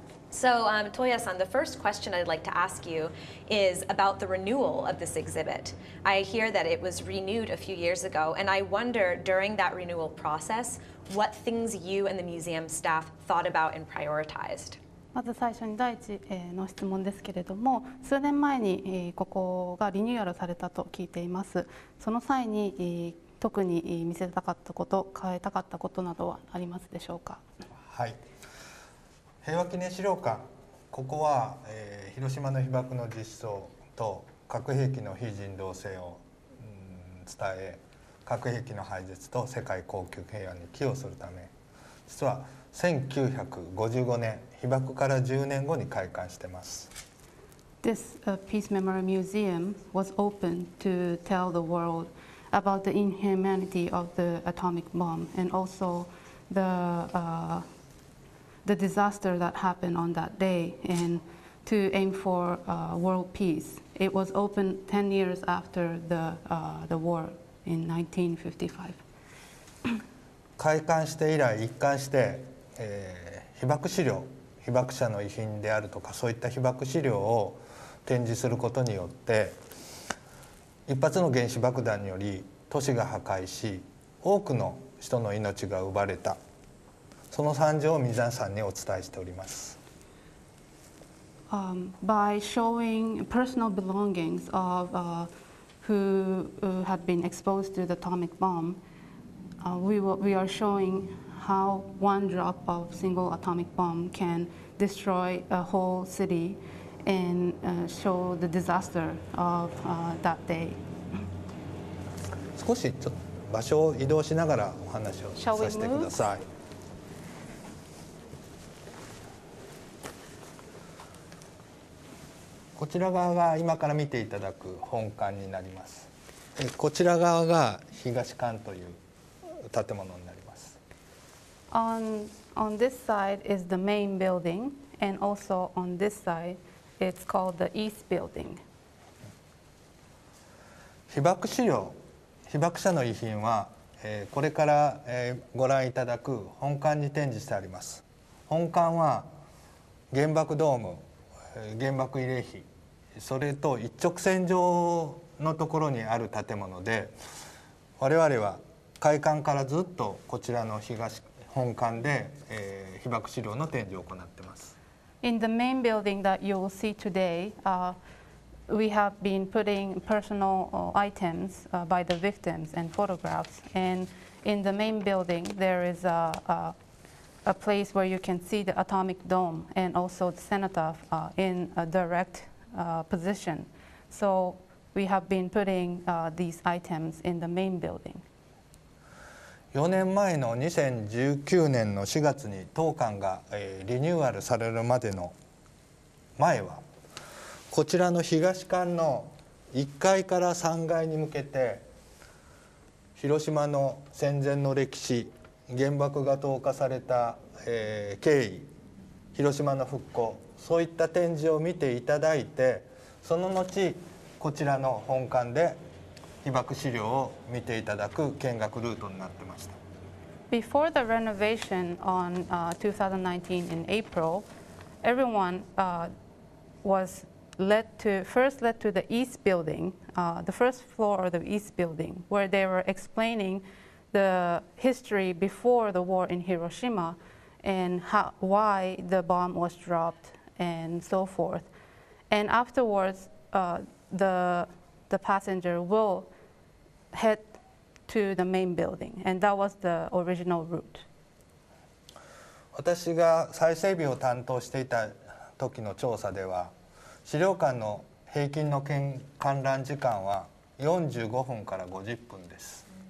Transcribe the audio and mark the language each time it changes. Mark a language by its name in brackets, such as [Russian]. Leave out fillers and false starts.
[English] So, Toya-san, the first question I'd like to ask you is about the renewal of this exhibit. I hear that it was renewed a few years ago, and I wonder, during that renewal process, what things you and the museum staff thought about and prioritized. [Japanese] まず最初に第一の質問ですけれども、数年前にここがリニューアルされたと聞いています。その際に特に見せたかったこと、変えたかったことなどはありますでしょうか。はい。平和記念資料館、ここは広島の被爆の実相と核兵器の非人道性を伝え、核兵器の廃絶と世界恒久平和に寄与するため、実は1955年、被爆から10年後に開館してます。 [English] This Peace Memorial Museum was opened to tell the world about the inhumanity of the atomic bomb and also the disaster that happened on that day and to aim for world peace. It was opened 10 years after the war in 1955. [Japanese] 開館して以来一貫して被爆資料、被爆者の遺品であるとかそういった被爆資料を展示することによって一発の原子爆弾により都市が破壊し多くの人の命が奪われたその惨状を皆さんにお伝えしております。 [English] By showing personal belongings of who had been exposed to the atomic bomb, we are showing how one drop of single atomic bomb can destroy a whole city and show the disaster of that day. [Japanese] 少しちょっと場所を移動しながらお話をさせてください。こちら側が今から見ていただく本館になります。こちら側が東館という建物になります。 [English] On this side is the main building, and also on this side, it's called the East Building. [Japanese] 被爆資料、被爆者の遺品は、これから、ご覧いただく本館に展示してあります。本館は原爆ドーム、原爆慰霊碑、それと一直線上のところにある建物で、我々は開館からずっとこちらの東本館で、被爆資料の展示を行ってます。 [English] In the main building that you will see today, we have been putting personal items by the victims and photographs. And in the main building, there is a place where you can see the atomic dome and also the cenotaph in a direct position. So we have been putting these items in the main building. [Japanese] 4年前の2019年の4月に当館がリニューアルされるまでの前はこちらの東館の1階から3階に向けて広島の戦前の歴史原爆が投下された経緯広島の復興そういった展示を見ていただいてその後こちらの本館で被爆資料を見ていただく見学ルートになってました。 [English] Before the renovation on 2019 in April, everyone was led to the East Building, the first floor of the East Building, where they were explaining the history before the war in Hiroshima and why the bomb was dropped and so forth. And afterwards, the passenger will head to the main building, and that was the original route. [Japanese] 私が再整備を担当していた時の調査では、資料館の平均の観覧時間は45分から50分です。